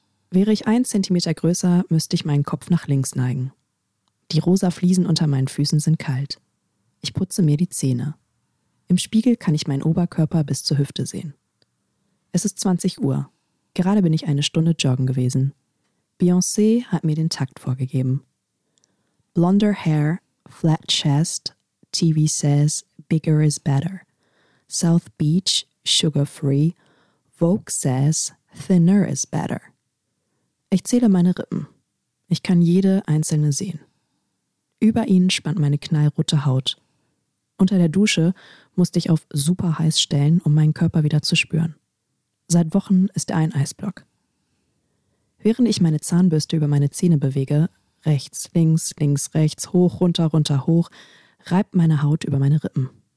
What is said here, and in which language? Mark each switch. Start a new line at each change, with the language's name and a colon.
German: Wäre ich 1 Zentimeter größer, müsste ich meinen Kopf nach links neigen. Die rosa Fliesen unter meinen Füßen sind kalt. Ich putze mir die Zähne. Im Spiegel kann ich meinen Oberkörper bis zur Hüfte sehen. Es ist 20 Uhr. Gerade bin ich 1 Stunde joggen gewesen. Beyoncé hat mir den Takt vorgegeben.
English: Blonder hair, flat chest, TV says bigger is better. South Beach, sugar free, Vogue says thinner is better.
German: Ich zähle meine Rippen. Ich kann jede einzelne sehen. Über ihnen spannt meine knallrote Haut. Unter der Dusche musste ich auf super heiß stellen, um meinen Körper wieder zu spüren. Seit Wochen ist er ein Eisblock. Während ich meine Zahnbürste über meine Zähne bewege, rechts, links, links, rechts, hoch, runter, runter, hoch, reibt meine Haut über meine Rippen.